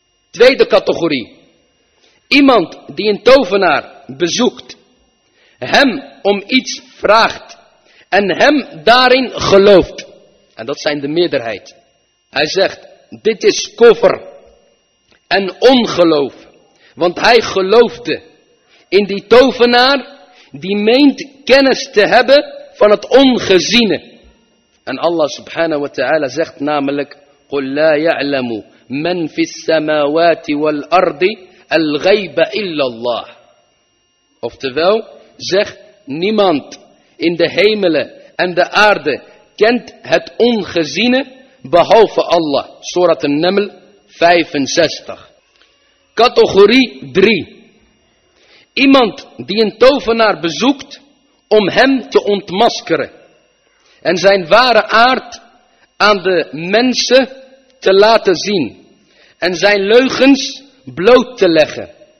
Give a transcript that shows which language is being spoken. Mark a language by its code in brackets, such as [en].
[nl] Tweede categorie. Iemand die een tovenaar bezoekt, hem om iets vraagt en hem daarin gelooft. En dat zijn de meerderheid. Hij zegt, dit is koffer en ongeloof. Want hij geloofde in die tovenaar die meent kennis te hebben van het ongeziene. En Allah subhanahu wa ta'ala zegt namelijk, [ar] قُلْ لَا يَعْلَمُ مَنْ فِي السَّمَاوَاتِ وَالْأَرْضِ الْغَيْبَ إِلَّا اللَّهِ. [nl] Oftewel, zeg, niemand in de hemelen en de aarde kent het ongeziene behalve Allah. Surat An-Naml 65. Categorie 3. Iemand die een tovenaar bezoekt om hem te ontmaskeren en zijn ware aard aan de mensen te laten zien en zijn leugens bloot te leggen.